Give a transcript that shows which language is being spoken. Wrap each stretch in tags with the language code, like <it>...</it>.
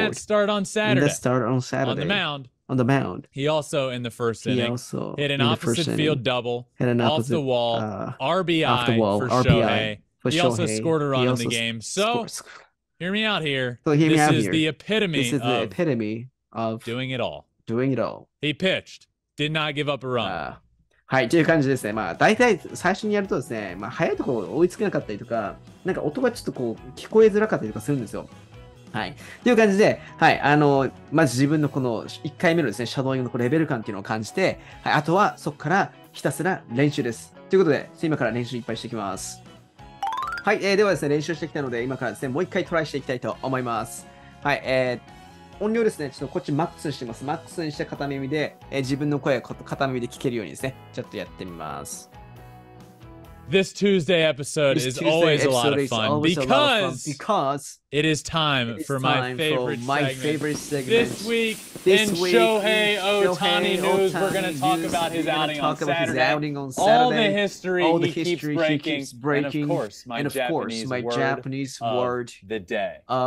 <en>Last year, fantastic. Unanimous MVP. This year, even better. For Shohei Ohtani, has been better than last year when he unanimously won the American League MVP award. In that start on Saturday, on the mound. He also in the first inning hit an opposite field double off the wall, RBI for Shohei. He also scored a run in the game. So hear me out here. This is the epitome of doing it all. He pitched. Did not give up a run.</en> <ja>はい、という感じですね。まあ、大体最初にやるとですね、まあ、早いところ追いつけなかったりとか、なんか音がちょっとこう、聞こえづらかったりとかするんですよ。はい。という感じで、はい、まず自分のこの1回目のですね、シャドーイングのレベル感っていうのを感じて、はい、あとはそこからひたすら練習です。ということで、今から練習いっぱいしていきます。はい、ではですね、練習してきたので、今からですね、もう1回トライしていきたいと思います。はい、音量ですね、ちょっとこっちマックスにしてます。マックスにして片耳で、自分の声を片耳で聞けるようにですね、ちょっとやってみます。</ja> <en>This Tuesday episode is always a lot of fun because it is time for my favorite segment. This week in Shohei Ohtani news, we're going to talk about his outing on Saturday. All the history he keeps breaking. And of course, my Japanese word of the day.</en>